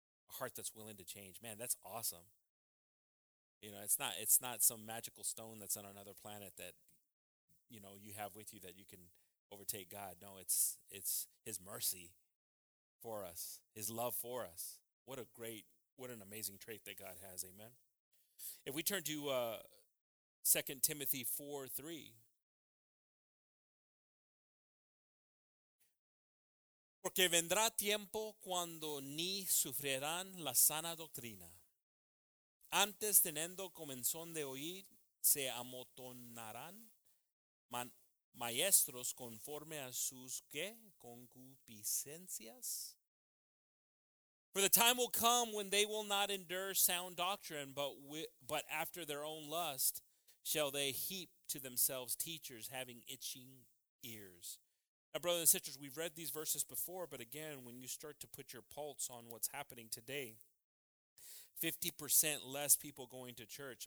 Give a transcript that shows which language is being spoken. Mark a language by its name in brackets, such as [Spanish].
[English] A heart that's willing to change. Man, that's awesome. You know, it's not some magical stone that's on another planet that, you know, you have with you that you can overtake God. No, it's his mercy for us, his love for us. What an amazing trait that God has. Amen. If we turn to 2 Timothy 4:3, [Spanish] porque vendrá tiempo cuando ni sufrirán la sana doctrina. Antes, teniendo comenzón de oír, se amotonarán maestros conforme a sus ¿qué? Concupiscencias. [English] For the time will come when they will not endure sound doctrine, but after their own lust shall they heap to themselves teachers having itching ears. Now, brothers and sisters, we've read these verses before, but again, when you start to put your pulse on what's happening today, 50% less people going to church.